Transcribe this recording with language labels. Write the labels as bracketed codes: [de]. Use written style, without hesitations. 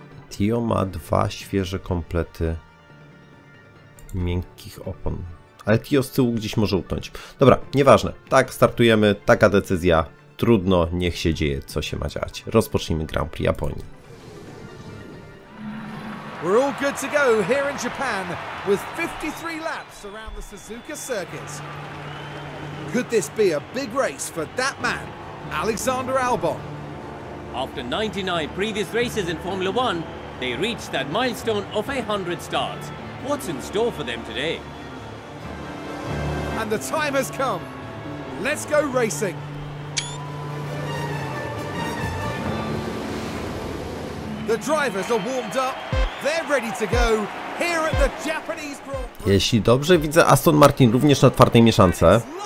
[pl] Tio ma dwa świeże komplety miękkich opon. Ale Tio z tyłu gdzieś może utnąć. Dobra, nieważne. Tak, startujemy. Taka decyzja. Trudno, niech się dzieje, co się ma dziać. Rozpocznijmy Grand Prix Japonii. [en] We're all good to go here in Japan with 53 laps around the Suzuka circuit. Could this be a big race for that man, Alexander Albon? After 99 previous races in Formula 1, they reached that milestone of 100 starts. What's in store for them today? And the time has come. Let's go racing. The drivers are warmed up. They're ready to go here at the Japanese Grand Prix. [pl] Jeśli dobrze widzę, Aston Martin również na twardej mieszance.